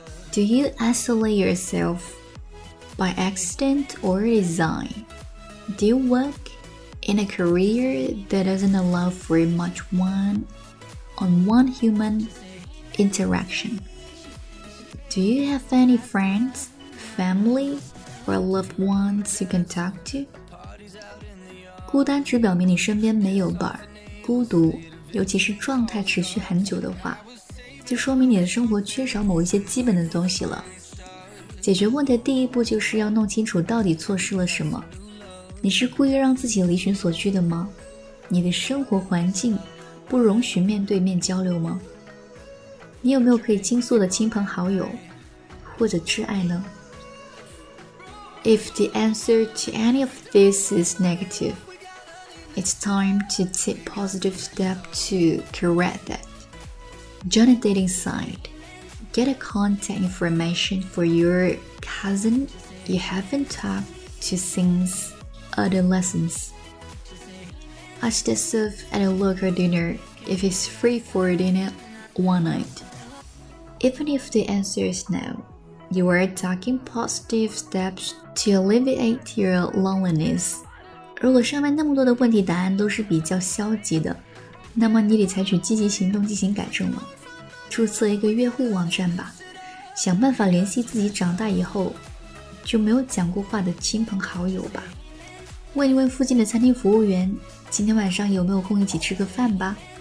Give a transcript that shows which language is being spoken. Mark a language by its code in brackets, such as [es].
[en] Do you isolate yourself by accident or design? Do you work? In a career that doesn't allow for much one-on-one human interaction. Do you have any friends, family, or loved ones you can talk to? [zh] 孤单只表明你身边没有伴儿。孤独，尤其是状态持续很久的话，就说明你的生活缺少某一些基本的东西了。解决问题的第一步就是要弄清楚到底错失了什么。你是故意让自己离群所居的吗？你的生活环境不容许面对面交流吗？你有没有可以倾诉的亲朋好友或者挚爱呢？ [en] If the answer to any of this is negative, it's time to take positive step to correct that. Join a dating site. Get a contact information for your cousin you haven't talked to since. Adolescence. Ask to serve at a local dinner if he's free for dinner one night. Even if the answer is no, you are taking positive steps to alleviate your loneliness. [zh] 如果上面那么多的问题答案都是比较消极的，那么你得采取积极行动进行改正了。注册一个约会网站吧，想办法联系自己长大以后就没有讲过话的亲朋好友吧。问一问附近的餐厅服务员，今天晚上有没有空一起吃个饭吧？